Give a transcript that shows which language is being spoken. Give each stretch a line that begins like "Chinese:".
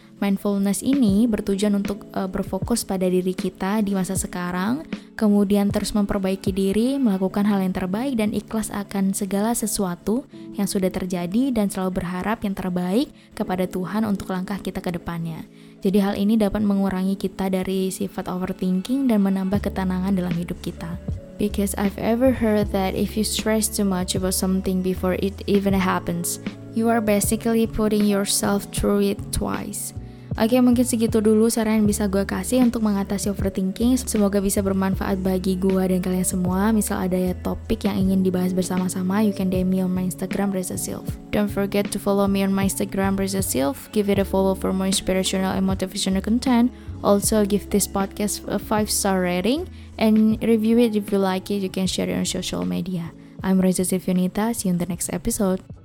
Indonesian: Mindfulness ini bertujuan untuk berfokus pada diri kita di masa sekarang, kemudian terus memperbaiki diri, melakukan hal yang terbaik dan ikhlas akan segala sesuatu yang sudah terjadi dan selalu berharap yang terbaik kepada Tuhan untuk langkah kita ke depannya. Jadi hal ini dapat mengurangi kita dari sifat overthinking dan menambah ketenangan dalam hidup kita.
English: Because I've ever heard that if you stress too much about something before it even happens, you are basically putting yourself through it twice.
Indonesian: Oke, mungkin segitu dulu saran yang bisa gue kasih untuk mengatasi overthinking. Semoga bisa bermanfaat bagi gue dan kalian semua. Misal ada ya topik yang ingin dibahas bersama-sama,
English: you can DM me on my Instagram,
Indonesian: Reza Silf.
English: Don't forget to follow me on my Instagram, Reza Silf. Give it a follow for more inspirational and motivational content. Also, give this podcast a 5-star rating and review it if you like it. You can share it on social media. I'm Reza Silf Yunita. See you in the next episode.